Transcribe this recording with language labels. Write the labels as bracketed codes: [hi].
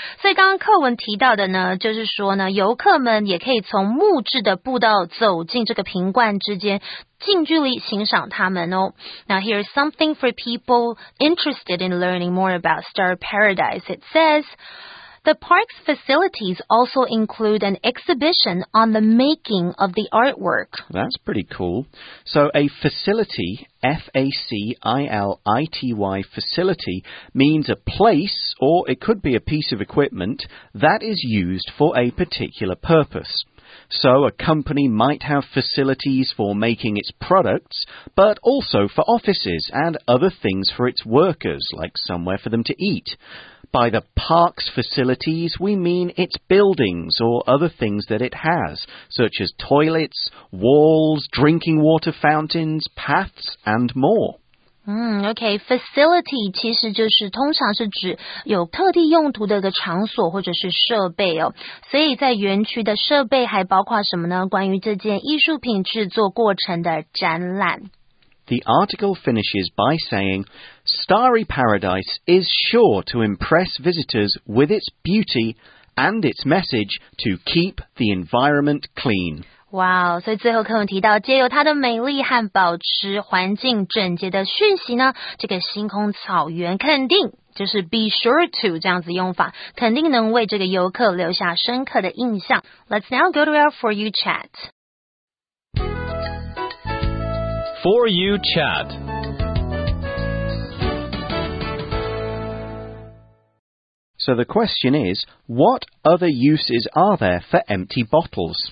[zh] 所以刚刚课文提到的呢，就是说呢，游客们也可以从木质的步道走进这个瓶罐之间，近距离欣赏它们哦。 [en] Now here's something for people interested in learning more about Star Paradise. It says... The park's facilities also include an exhibition on the making of the artwork. That's pretty cool. So a facility, F-A-C-I-L-I-T-Y, facility, means a place, or it could be a piece of equipment, that is used for a particular purpose. So a company might have facilities for making its products, but also for offices and other things for its workers, like somewhere for them to eat. By the park's facilities, we mean its buildings or other things that it has, such as toilets, walls, drinking water fountains, paths, and more. [zh] OK, facility 其实就是通常是指有特地用途的一个场所或者是设备哦。所以在园区的设备还包括什么呢？关于这件艺术品制作过程的展览。 [en] The article finishes by saying, Starry Paradise is sure to impress visitors with its beauty and its message to keep the environment clean. [zh] Wow, 所以最后课文提到，借由它的美丽和保持环境整洁的讯息呢，这个星空草原肯定就是 be sure to 这样子用法，肯定能为这个游客留下深刻的印象。 [en] Let's now go to our For You chat. For You Chat. So the question is, what other uses are there for empty bottles?